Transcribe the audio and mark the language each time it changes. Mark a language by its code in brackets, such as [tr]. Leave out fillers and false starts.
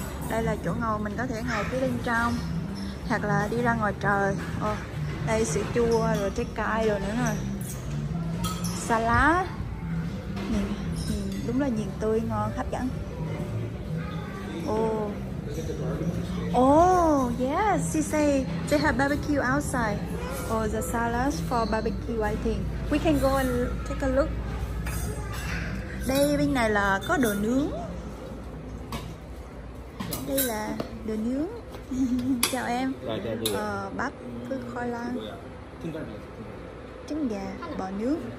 [vi] Đây là chỗ ngồi, mình có thể ngồi phía bên trong hoặc là đi ra ngoài trời. Ồ, đây sữa chua rồi trái cay rồi nữa nè. [en] Salad. [vi] Đúng là nhìn tươi ngon hấp dẫn. [en] Oh yes, she say they have barbecue outside. Oh, the salads for barbecue, I think. We can go and take a look. [vi] Đây bên này là có đồ nướng. Đây là đồ nướng. Chào em. Bắp với khoai lang, trứng gà, bò nướng.